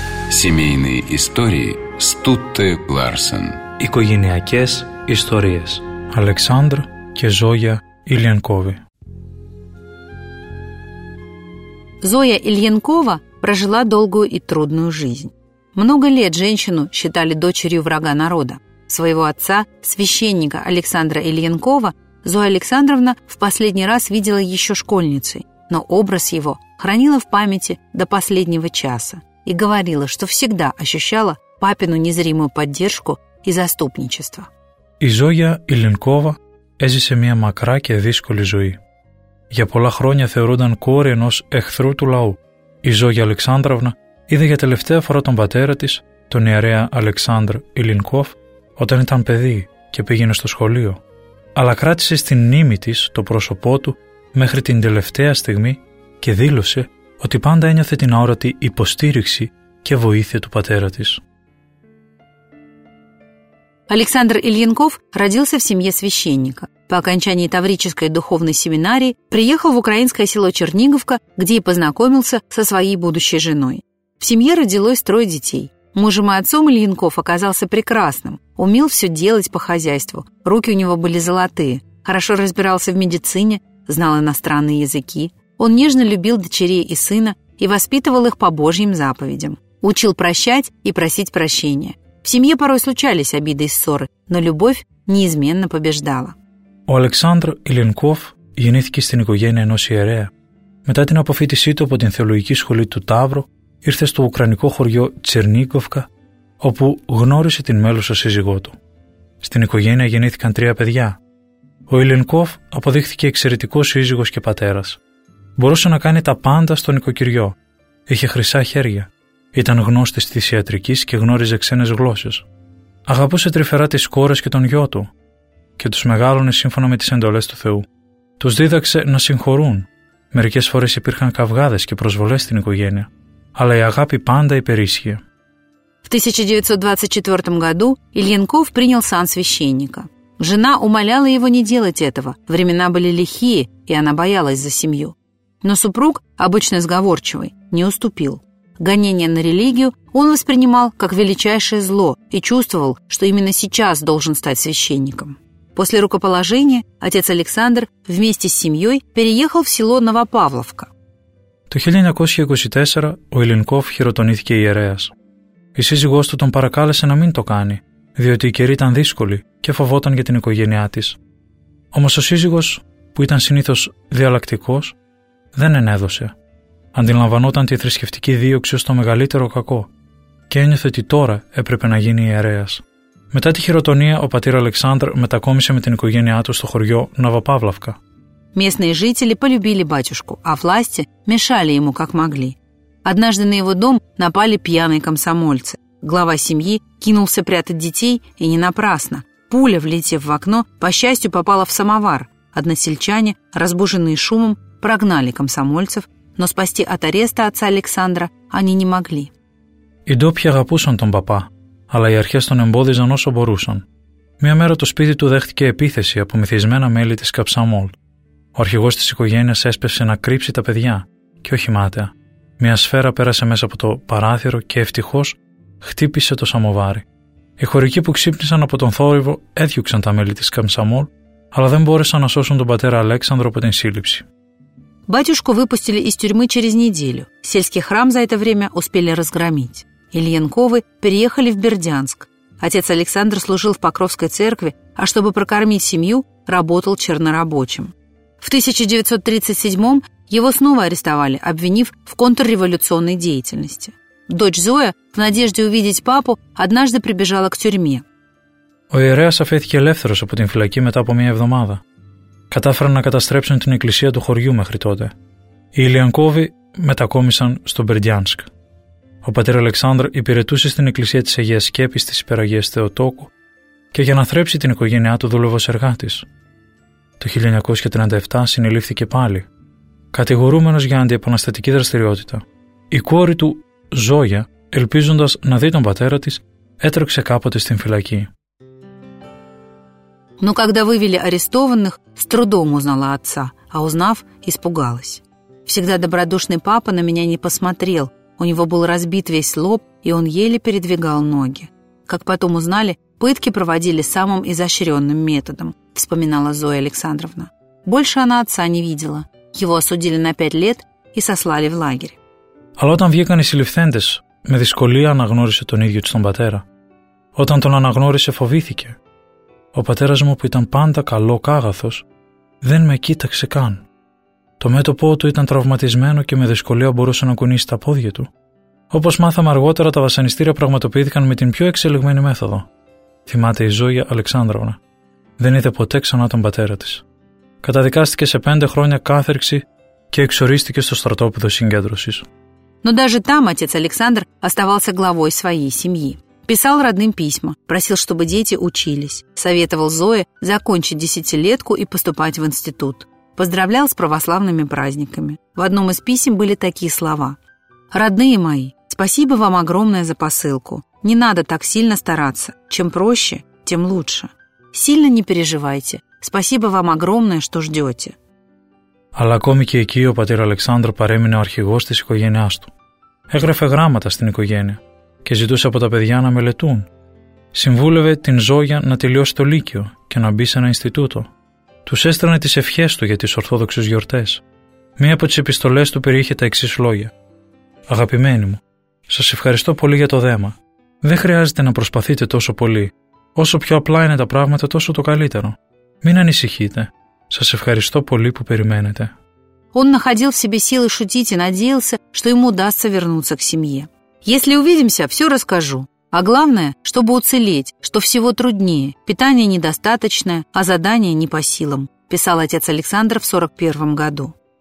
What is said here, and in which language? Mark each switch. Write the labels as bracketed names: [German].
[Russian] Семейные истории Стутте Ларсен. [Greek] Οικογενειακές ιστορίες. Александр και Зоя Ильянкова. [Russian] Зоя Ильянкова прожила долгую и трудную жизнь. Много лет женщину считали дочерью врага народа. Своего отца, священника Александра Ильянкова, Зоя Александровна в последний раз видела еще школьницей, но образ его хранила в памяти до последнего часа и говорила, что всегда ощущала папину незримую поддержку и заступничество. [Greek] Η Ζόγια Ιλινκόβα έζησε μια μακρά και δύσκολη ζωή. Για πολλά χρόνια θεωρούνταν κόρη ενός εχθρού του λαού. Η Ζόγια Αλεξάνδραυνα είδε για τελευταία φορά τον πατέρα της, τον ιερέα Αλεξάνδρ Ιλινκόβ, όταν ήταν παιδί και πήγαινε στο σχολείο. Αλλά κράτησε στην μνήμη της το πρόσωπό του μέχρι την τελευταία στιγμή και δήλωσε ότι πάντα ένιωθε την αόρατη υποστήριξη και βοήθεια του πατέρα της. [Russian] Александр Ильинков родился в семье священника. По окончании Таврической духовной семинарии приехал в украинское село Черниговка, где и познакомился со своей будущей женой. В семье родилось трое детей. Мужем и отцом Ильинков оказался прекрасным, умел все делать по хозяйству, руки у него были золотые, хорошо разбирался в медицине, знал иностранные языки. Он нежно любил дочерей и сына и воспитывал их по Божьим заповедям. Учил прощать и просить прощения. В семье порой случались обиды и ссоры, но любовь неизменно побеждала. [Greek] Ο Александр Ιλινκόβ γεννήθηκε στην οικογένεια ενός ιερέα. Μετά την αποφύτισή του από την θεολογική σχολή του Ταύρου, ήρθε στο ουκρανικό χωριό Τσερνίκοφκα όπου γνώρισε την μέλουσα σύζυγό του. Στην οικογένεια γεννήθηκαν 3 παιδιά. Ο Ηλενκόφ αποδείχθηκε εξαιρετικός σύζυγος και πατέρας. Μπορούσε να κάνει τα πάντα στο νοικοκυριό. Είχε χρυσά χέρια. Ήταν γνώστης της ιατρικής και γνώριζε ξένες γλώσσες. Αγαπούσε τρυφερά τις κόρες και τον γιο του και τους μεγάλωνε σύμφωνα με τις εντολές του Θεού. Τους δίδαξε να συγχωρούν. Μερικές φορές υπήρχαν καυγάδες και προσβολές στην οικογένεια, αλλά η αγάπη πάντα υπερίσχυε. [Russian] В 1924 году Ильенков принял сан священника. Жена умоляла его не делать этого, времена были лихие, и она боялась за семью. Но супруг, обычно сговорчивый, не уступил. Гонение на религию он воспринимал как величайшее зло и чувствовал, что именно сейчас должен стать священником. После рукоположения отец Александр вместе с семьей переехал в село Новопавловка. В 1924 году Ильенков хиротонился иереем. [Greek] Η σύζυγός του τον παρακάλεσε να μην το κάνει, διότι οι καιροί ήταν δύσκολοι και φοβόταν για την οικογένειά της. Όμως ο σύζυγος, που ήταν συνήθως διαλλακτικός, δεν ενέδωσε. Αντιλαμβανόταν τη θρησκευτική δίωξη ως το μεγαλύτερο κακό και ένιωθε ότι τώρα έπρεπε να γίνει ιερέας. Μετά τη χειροτονία, ο πατήρ Αλεξάνδρ μετακόμισε με την οικογένειά του στο χωριό Ναβαπαύλαυκα. [Russian] Местные жители полюбили батюшку, а власти мешали ему как могли. Однажды на его дом напали пьяные комсомольцы. Глава семьи кинулся прятать детей, и не напрасно. Пуля, влетев в окно, по счастью, попала в самовар. Односельчане, разбуженные шумом, прогнали комсомольцев, но спасти от ареста отца Александра они не могли. [Greek] И допья гапусан тон папа, але и архестон эмбодизан осо борусан. Мя мера то спиди ту дехтике эпитеси апо мифизмена мели тис капсамол. Ο αρχηγός της οικογένειας έσπευσε να κρύψει τα παιδιά, και όχι μάταια. Μια σφαίρα πέρασε μέσα από το παράθυρο και ευτυχώς χτύπησε το σαμοβάρι. Οι χωρικοί που ξύπνησαν από τον θόρυβο έδιωξαν τα μέλη της Καμσαμόλ, αλλά δεν μπόρεσαν να σώσουν τον πατέρα Αλέξανδρο από την σύλληψη. [Russian] Батюшку выпустили из тюрьмы через неделю. Сельский храм за это время успели разгромить. Ильенковы переехали в Бердянск. Отец Александр служил в Покровской церкви, а чтобы прокормить семью, работал чернорабочим. В 1937-м его снова арестовали, обвинив в контрреволюционной деятельности. Дочь Зоя, в надежде увидеть папу, однажды прибежала к тюрьме. [Greek] Ο ιερέας αφέθηκε ελεύθερος από την φυλακή μετά από μια εβδομάδα. Κατάφεραν να καταστρέψουν την εκκλησία του χωριού μέχρι τότε. Οι Ηλιανκόβοι μετακόμισαν στο Μπερντιάνσκ. Ο πατήρ Αλεξάνδρ υπηρετούσε στην εκκλησία της Αγίας Σκέπης της Υπεραγίας Θεοτόκου και για να θρέψει την οικογένειά του δούλευε ως εργάτης. Το 1937 συνελήφθηκε πάλι. Κατηγορούμενος για αντιεπαναστατική δραστηριότητα. Η κόρη του, Ζόγια, ελπίζοντας να δει τον πατέρα της, έτρεξε κάποτε στην φυλακή. [Russian] Но когда вывели арестованных, с трудом узнала отца, а узнав, испугалась. Всегда добродушный папа на меня не посмотрел, у него был разбит весь лоб, и он еле передвигал ноги. Как потом узнали, пытки проводили самым изощренным методом, вспоминала Зоя Александровна. Больше она отца не видела. Его осудили на 5 лет и сослали в лагерь. [Greek] Αλλά όταν βγήκαν οι συλληφθέντες, με δυσκολία αναγνώρισε τον ίδιο τον πατέρα. Όταν τον αναγνώρισε, φοβήθηκε. Ο πατέρας μου που ήταν πάντα καλό κάγαθος, δεν με κοίταξε καν. Το μέτωπό του ήταν τραυματισμένο και με δυσκολία μπορούσε να κουνήσει τα πόδια του. Όπως μάθαμε αργότερα, τα βασανιστήρια πραγματοποιήθηκαν με την πιο εξελιγμένη μέθοδο. Θυμάται η Ζόγια Αλεξάνδρωνα. Δεν είδε ποτέ ξανά τον πατέρα της. Καταδικάστηκε σε 5 χρόνια κάθερξη και εξορίστηκε στο στρατόπεδο συγκέντρωσης. [Russian] Но даже там отец Александр оставался главой своей семьи. Писал родным письма, просил, чтобы дети учились. Советовал Зое закончить 10-летку и поступать в институт. Поздравлял с православными праздниками. В одном из писем были такие слова. «Родные мои, спасибо вам огромное за посылку. Не надо так сильно стараться. Чем проще, тем лучше. Сильно не переживайте. Спасибо вам огромное, что ждете». [Greek] Αλλά ακόμη και εκεί ο πατήρ Αλεξάνδρ παρέμεινε ο αρχηγός της οικογένειάς του. Έγραφε γράμματα στην οικογένεια και ζητούσε από τα παιδιά να μελετούν. Συμβούλευε την Ζόγια να τελειώσει το λύκειο και να μπει σε ένα Ινστιτούτο. Τους έστρανε τις ευχές του για τις Ορθόδοξες γιορτές. Μία από τις επιστολές του περιείχε τα εξής λόγια. «Αγαπημένοι μου, σας ευχαριστώ πολύ για το δέμα. Δεν χρειάζεται να προσπαθείτε τόσο πολύ. Όσο πιο απλά είναι τα πράγματα, τόσο το καλύτερο. Μην ανησυχείτε. Σας ευχαριστώ πολύ που περιμένετε». [Russian] Он находил в себе силы шутить и надеялся, что ему удастся вернуться к семье. «Если увидимся, все расскажу. А главное, чтобы уцелеть, что всего труднее, питание недостаточное, а задание не по силам», писал отец Александр в 41-м году.